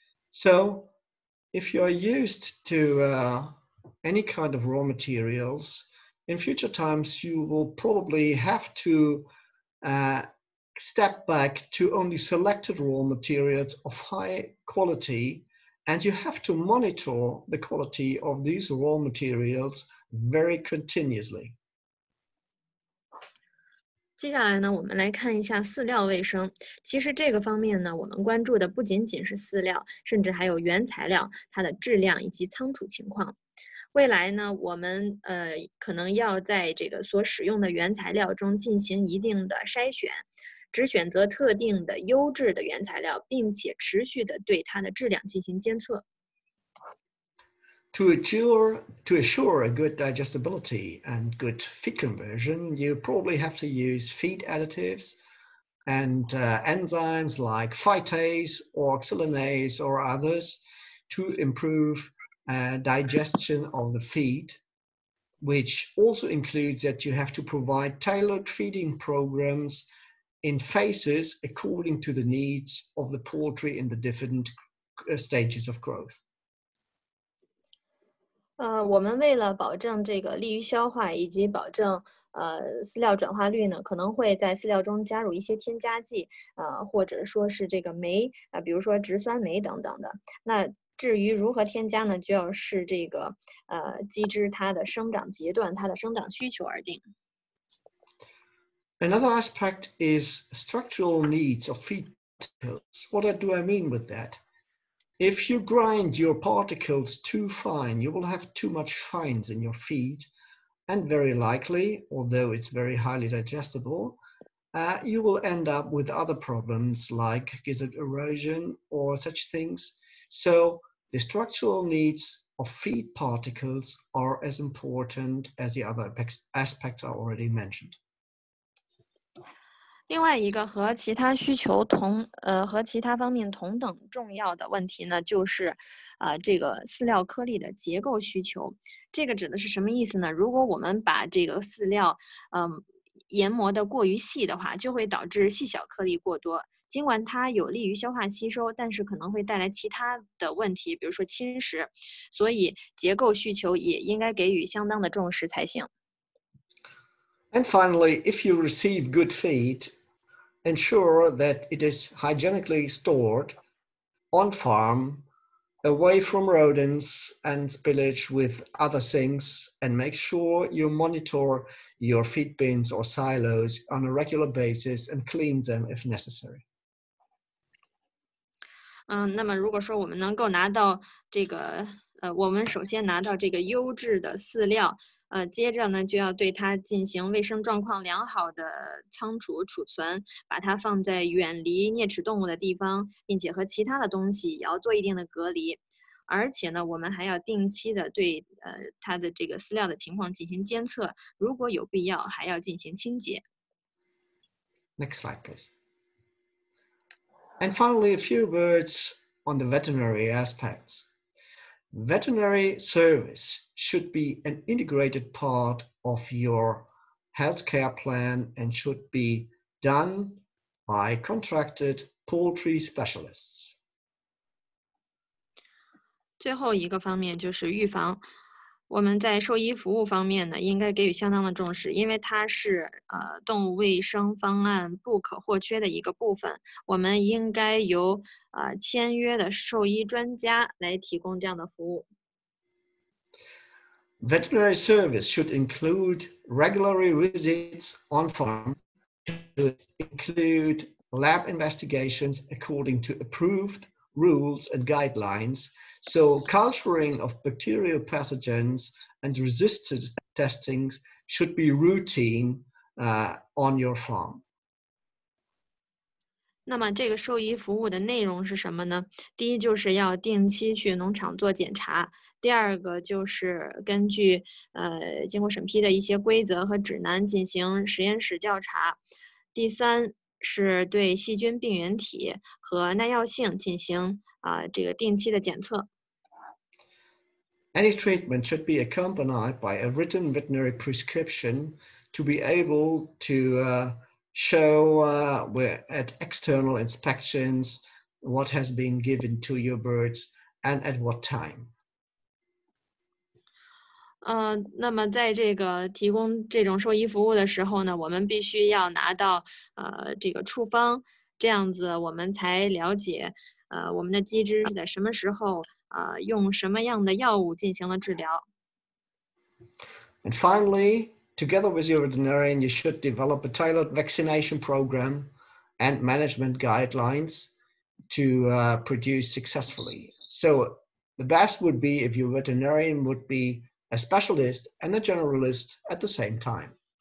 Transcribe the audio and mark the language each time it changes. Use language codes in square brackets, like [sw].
[en] So if you are used to any kind of raw materials, in future times you will probably have to step back to only selected raw materials of high quality, and you have to monitor the quality of these raw materials very continuously. [zh] 接下来呢，我们来看一下饲料卫生。其实这个方面呢，我们关注的不仅仅是饲料，甚至还有原材料它的质量以及仓储情况。未来呢，我们可能要在这个所使用的原材料中进行一定的筛选，只选择特定的优质的原材料，并且持续的对它的质量进行监测。 [en] To assure a good digestibility and good feed conversion, you probably have to use feed additives and enzymes like phytase or oxalinase or others to improve digestion of the feed, which also includes that you have to provide tailored feeding programs in phases according to the needs of the poultry in the different stages of growth. [zh] 我们为了保证这个利于消化以及保证饲料转化率呢，可能会在饲料中加入一些添加剂，或者说是这个酶，比如说植酸酶等等的。那至于如何添加呢，就要是这个鸡只它的生长阶段，它的生长需求而定。 [en] Another aspect is structural needs of feed particles. What do I mean with that? If you grind your particles too fine, you will have too much fines in your feed, and very likely, although it's very highly digestible, you will end up with other problems like gizzard erosion or such things. So the structural needs of feed particles are as important as the other aspects I already mentioned. [zh] 另外一个和其他需求同和其他方面同等重要的问题呢，就是这个饲料颗粒的结构需求。这个指的是什么意思呢？如果我们把这个饲料研磨的过于细的话，就会导致细小颗粒过多，尽管它有利于消化吸收，但是可能会带来其他的问题，比如说侵蚀，所以结构需求也应该给予相当的重视才行。 [en] And finally, if you receive good feed, ensure that it is hygienically stored on farm, away from rodents and spillage with other things, and make sure you monitor your feed bins or silos on a regular basis and clean them if necessary. [zh] 那么如果说我们能够拿到这个我们首先拿到这个优质的饲料，接着呢就要对它进行卫生状况良好的仓储储存，把它放在远离啮齿动物的地方，并且和其他的东西也要做一定的隔离。而且呢我们还要定期的对它的这个饲料的情况进行监测，如果有必要还要进行清洁。 [en] Next slide, please. And finally, a few words on the veterinary aspects. Veterinary service should be an integrated part of your healthcare plan and should be done by contracted poultry specialists. [zh] 最后一个方面就是预防。我们在兽医服务方面呢，应该给予相当的重视，因为它是动物卫生方案不可或缺的一个部分。我们应该由签约的兽医专家来提供这样的服务。 [en] Veterinary service should include regular visits on farm, should include lab investigations according to approved rules and guidelines. So culturing of bacterial pathogens and resistance testing should be routine on your farm. [zh] 那么这个兽医服务的内容是什么呢？第一就是要定期去农场做检查，第二个就是根据经过审批的一些规则和指南进行实验室调查，第三是对细菌病原体和耐药性进行这个定期的检测。 [en] Any treatment should be accompanied by a written veterinary prescription to be able to show at external inspections what has been given to your birds and at what time. [zh] 那么在这个提供这种兽医服务的时候呢，我们必须要拿到这个处方，这样子我们才了解我们的机制是在什么时候用什么样的药物进行了治疗。 [en] And finally, together with your veterinarian, you should develop a tailored vaccination program and management guidelines to produce successfully. So the best would be if your veterinarian would be a specialist and a generalist at the same time.